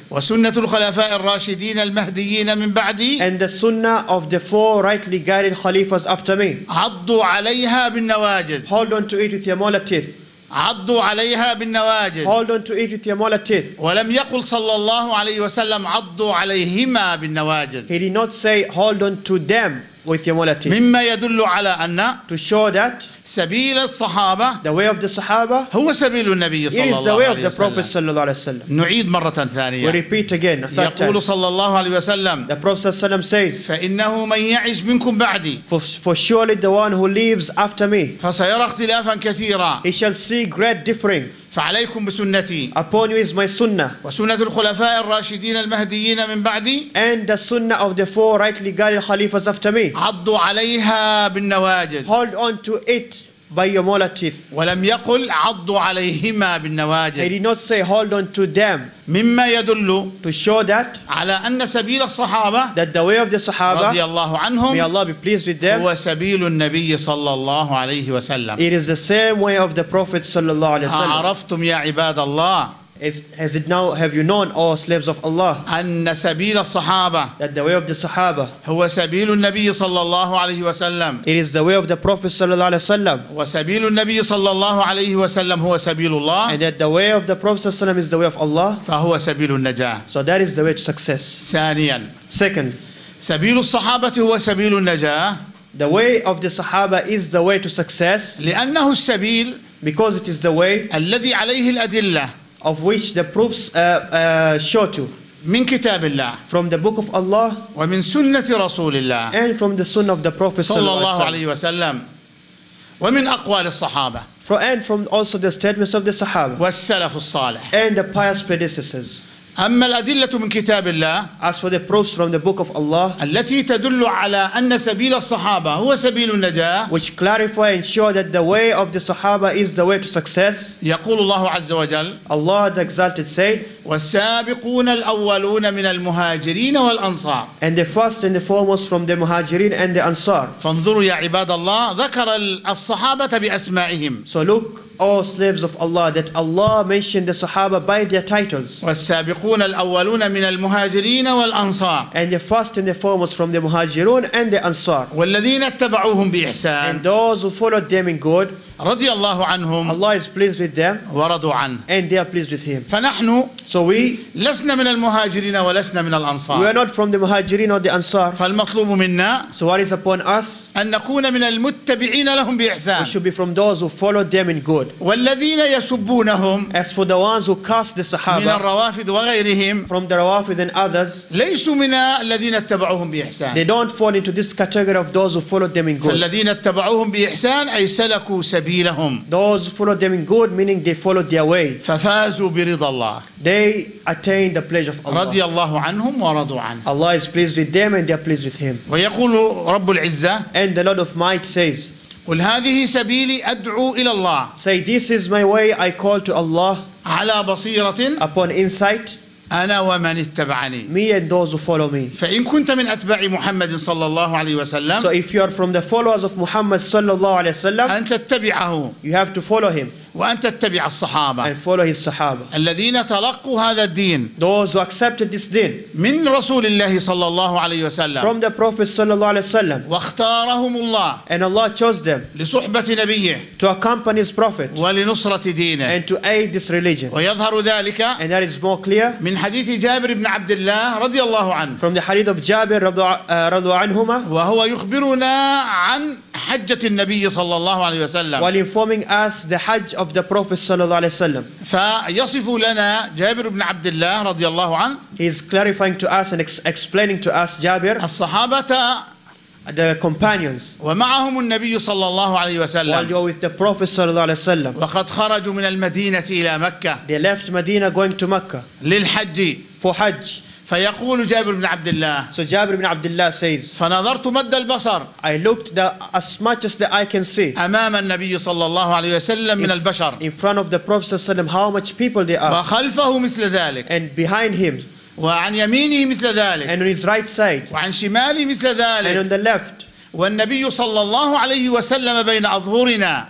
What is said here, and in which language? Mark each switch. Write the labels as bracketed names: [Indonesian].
[Arabic] وسنة الخلفاء الراشدين المهديين من بعدي [English] and the sunnah of the four rightly guided khalifas after me [Arabic] عضوا عليها بالنواجذ [English] hold on to it with your molar teeth [Arabic] عضوا عليها بالنواجذ [English] hold on to it with your molar teeth [Arabic] ولم يقل صلى الله عليه وسلم عضوا عليهما بالنواجذ [English] he did not say hold on to them With your molar teeth. [Arabic] مما يدل على أن [English] to show that [Arabic] سبيل الصحابة [English] the way of the Sahaba [Arabic] هو سبيل النبي صلى الله عليه وسلم [English] it is the way of the Prophet [Arabic] صلى الله عليه وسلم نعيد مرة ثانية [English] we repeat again [Arabic] يقول صلى الله عليه وسلم [English] the Prophet [Arabic] صلى الله عليه وسلم [English] says [Arabic] فإنه من يعش منكم بعدي [English] for surely the one who lives after me [Arabic] فسيرى اختلافا كثيرا [English] he shall see great differing [Arabic] فعليكم بسنتي [English] upon you is my sunnah [Arabic] وسنة الخلفاء الراشدين المهديين من بعدي [English] and the sunnah of the four rightly guided khalifas after me [Arabic] عضوا عليها بالنواجذ [English] hold on to it by your molar teeth [Arabic] ولم يقل عضوا عليهما بالنواجذ [English] he did not say hold on to them [Arabic] مما يدل [English] to show that [Arabic] على أن سبيل الصحابة [English] that the way of the Sahaba [Arabic] رضي الله عنهم [English] may Allah be pleased with them [Arabic] هو سبيل النبي صلى الله عليه وسلم [English] it is the same way of the Prophet [Arabic] صلى الله عليه وسلم أعرفتم يا عباد الله [English] Have you known, all slaves of Allah, [Arabic] أن سبيل الصحابة [English] that the way of the Sahaba [Arabic] هو سبيل النبي صلى الله عليه وسلم [English] it is the way of the Prophet [Arabic] صلى الله عليه وسلم وسبيل النبي صلى الله عليه وسلم هو سبيل الله [English] and that the way of the Prophet [Arabic] صلى الله عليه وسلم [English] is the way of Allah [Arabic] فهو سبيل النجاة [English] so that is the way to success [Arabic] ثانياً [English] second [Arabic] سبيل الصحابة هو سبيل النجاة [English] the way of the Sahaba is the way to success [Arabic] لأنه السبيل [English] because it is the way [Arabic] الذي عليه الأدلة [English] of which the proofs show to [Arabic] من كتاب الله [English] from the book of Allah [Arabic] ومن سنة رسول الله [English] and from the sunnah of the Prophet [Arabic] صلى الله عليه وسلم ومن أقوال الصحابة [English] and from also the statements of the Sahaba [Arabic] والسلف الصالح [English] and the pious predecessors. [Arabic] أما الأدلة من كتاب الله [English] as for the proofs from the book of Allah [Arabic] التي تدل على أن سبيل الصحابة هو سبيل النجاة [English] which clarify and show that the way of the Sahaba is the way to success. [Arabic] يقول الله عز وجل [English] Allah the exalted said [Arabic] والسابقون الأولون من المهاجرين والأنصار [English] and the first and the foremost from the مهاجرين and the أنصار. [Arabic] فانظروا يا عباد الله ذكر الصحابة بأسمائهم [English] so look all slaves of Allah that Allah mentioned the Sahaba by their titles [Arabic] والسابقون الأولون من المهاجرين والأنصار [English] and the first and the foremost from the مهاجرون and the أنصار [Arabic] والذين اتبعوهم بإحسان [English] and those who followed them in good [Arabic] رضي الله عنهم [English] Allah is pleased with them [Arabic] ورضوا عنه [English] and they are pleased with him. [Arabic] فنحن [English] so we [Arabic] لسنا من المهاجرين ولسنا من الأنصار [English] we are not from the مهاجرين or the أنصار [Arabic] فالمطلوب منا [English] so what is upon us [Arabic] أن نكون من المتبعين لهم بإحسان [English] we should be from those who followed them in good [Arabic] والذين يسبونهم [English] as for the ones who cast the Sahaba [Arabic] من الروافد وغيرهم [English] from the روافد and others [Arabic] ليسوا من الذين اتبعوهم بإحسان [English] they don't fall into this category of those who followed them in good [Arabic] فالذين اتبعوهم بإحسان أي سلكوا سبيلهم [English] those who followed them in good meaning they followed their way [Arabic] ففازوا برضا الله [English] they attained the pleasure of Allah [Arabic] رضي الله عنهم ورضوا عنه [English] Allah is pleased with them and they are pleased with him [Arabic] ويقول رب العزة [English] and the Lord of Might says [Arabic] قل هذه سبيلي أدعو إلى الله. [English] Say this is my way I call to Allah. [Arabic] على بصيرة. [English] Upon insight. [Arabic] أنا ومن اتبعني. [English] Me and those who follow me. [Arabic] فإن كنت من أتباع محمد صلى الله عليه وسلم. [English] So if you are from the followers of Muhammad [Arabic] صلى الله عليه وسلم. أنت تتبعه. [English] You have to follow him. [Arabic] وأن تتبع الصحابة. [English] And follow his Sahaba. [Arabic] الذين تلقوا هذا الدين. [English] Those who accepted this deen. [Arabic] من رسول الله صلى الله عليه وسلم. [English] From the Prophet [Arabic] صلى الله عليه وسلم. واختارهم الله. [English] And Allah chose them. [Arabic] لصحبة نبيه. [English] To accompany his Prophet. [Arabic] ولنصرة دينه. [English] And to aid this religion. [Arabic] ويظهر ذلك. [English] And that is more clear. [Arabic] من حديث جابر بن عبد الله رضي الله عنه. [English] From the hadith of Jabir [Arabic] رضي الله عنهما. وهو يخبرنا عن حجة النبي صلى الله عليه وسلم. [English] While informing us the Hajj of the Prophet [Arabic] صلى الله عليه وسلم. فيصف لنا جابر بن عبد الله رضي الله عنه. [English] He is clarifying to us and explaining to us Jabir. [Arabic] الصحابة. [English] The companions. [Arabic] ومعهم النبي صلى الله عليه وسلم. [English] While they were with the Prophet [Arabic] صلى الله عليه وسلم. وقد خرجوا من المدينة إلى مكة. [English] They left Medina going to Mecca. [Arabic] للحج. [English] For Hajj. [Arabic] فيقول جابر بن عبد الله. [English] So Jabir ibn Abdullah says. [Arabic] فنظرت مد البصر. [English] I looked the as much as the eye can see. [Arabic] أمام النبي صلى الله عليه وسلم من البشر. [English] In front of the Prophet [Arabic] صلى الله عليه وسلم, [English] how much people they are. [Arabic] وخلفه مثل ذلك. [English] And behind him. [Arabic] وعن يمينه مثل ذلك. [English] And on his right side. [Arabic] وعن شماله مثل ذلك. [English] And on the left. [Arabic] والنبي صلى الله عليه وسلم بين أظهرنا.